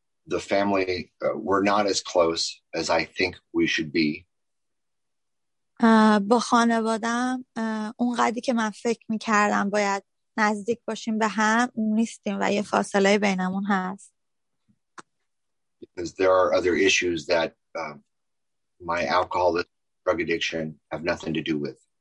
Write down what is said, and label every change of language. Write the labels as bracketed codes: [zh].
[en] The family were not as close as I think we should be. [fa] با خانواده‌ام اونقدی که من فکر می‌کردم باید نزدیک باشیم به هم نیستیم و یه فاصله بینمون هست. [en] Because there are other issues that my alcoholism, drug addiction have nothing to do with.